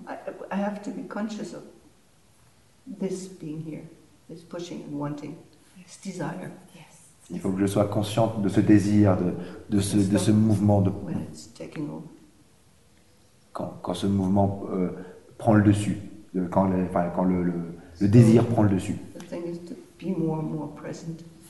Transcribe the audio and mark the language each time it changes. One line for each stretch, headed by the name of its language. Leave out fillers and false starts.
English: I have to be conscious of this being here, this pushing and wanting, this desire. Yes.
French: Il faut que je sois consciente de ce désir, de ce mouvement. De...
English: When it's taking over.
French: Quand ce mouvement prend le dessus, quand le désir prend le dessus.
English: The thing is to be more and more present.